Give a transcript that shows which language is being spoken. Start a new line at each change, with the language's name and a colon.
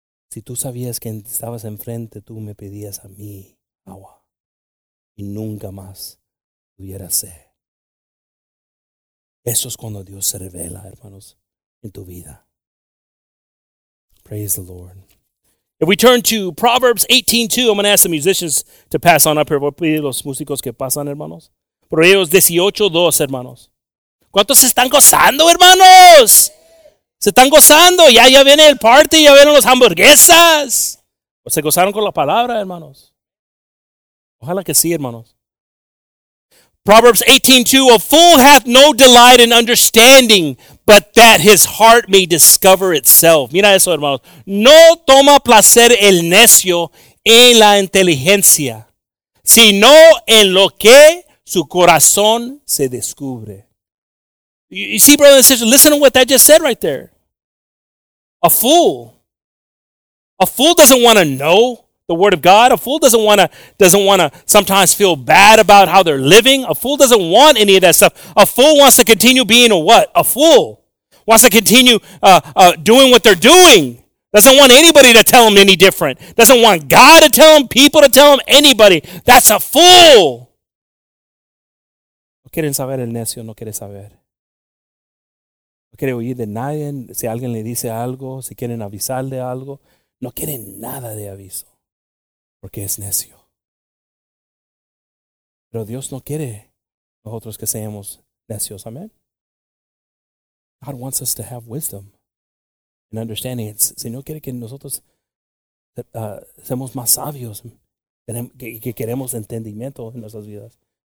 Spanish: Si tú sabías que estabas enfrente, tú me pedías a mí agua y nunca más tuviera sed. Eso es cuando Dios se revela, hermanos, en tu vida.
English: Praise the Lord. If we turn to Proverbs 18:2, I'm going to ask the musicians to pass on up here.
Spanish: Voy a pedir a los músicos que pasan, hermanos. Proverbios 18:2, hermanos. ¿Cuántos se están gozando, hermanos? Se están gozando, ya viene el party, ya vienen las hamburguesas. ¿O se gozaron con la palabra, hermanos? Ojalá que sí, hermanos.
English: Proverbs 18:2, a fool hath no delight in understanding, but that his heart may discover itself.
Spanish: Mira eso, hermanos. No toma placer el necio en la inteligencia, sino en lo que su corazón se descubre.
English: You see, brothers and sisters, listen to what that just said right there. A fool doesn't want to know the word of God. A fool doesn't want to sometimes feel bad about how they're living. A fool doesn't want any of that stuff. A fool wants to continue being a what? A fool. Wants to continue doing what they're doing. Doesn't want anybody to tell them any different. Doesn't want God to tell them, people to tell them, anybody. That's a fool.
Spanish: quieren saber, el necio no quiere saber. No quiere oír de nadie. Si alguien le dice algo, si quieren avisar de algo, no quiere nada de aviso, porque es necio. Pero Dios no quiere nosotros que seamos necios. Amén.
English: God wants us to have wisdom and understanding.
Spanish: El Señor quiere que nosotros seamos más sabios y que queremos entendimiento en nuestras vidas.